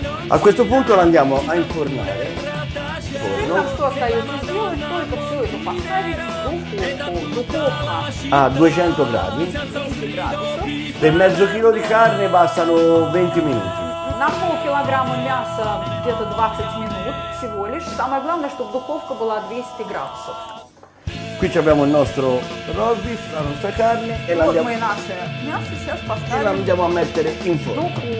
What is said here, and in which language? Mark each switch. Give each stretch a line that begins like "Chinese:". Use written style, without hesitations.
Italian: A questo punto la andiamo a infornare.
Russian: Ну, там что остается сделать? Только все это поставить в духовку. А, 200 градусов. 200 градусов.
Italian: Per mezzo chilo di carne bastano 20 minuti.
Russian: На полкилограмма мяса где-то 20 минут всего лишь. Самое главное, чтобы духовка была 200 градусов.
Italian: Qui abbiamo il nostro rosbif, la nostra carne e la andiamo... Мясо, e la andiamo a mettere in forno.